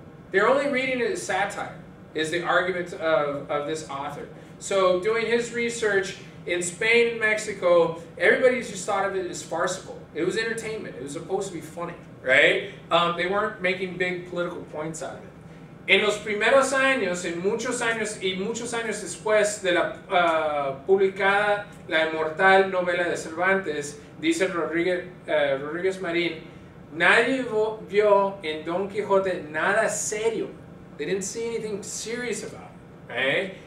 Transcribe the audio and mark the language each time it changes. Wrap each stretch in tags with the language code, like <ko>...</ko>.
<en>They're only reading it as satire, is the argument of this author. So doing his research in Spain and Mexico, everybody just thought of it as farcical. It was entertainment. It was supposed to be funny, right? They weren't making big political points out of it.</en> <es>En los primeros años, en muchos años y muchos años después de la publicada la inmortal novela de Cervantes, dice Rodríguez Marín, nadie vio en Don Quijote nada serio.</es> <en>They didn't see anything serious about it, right?</en>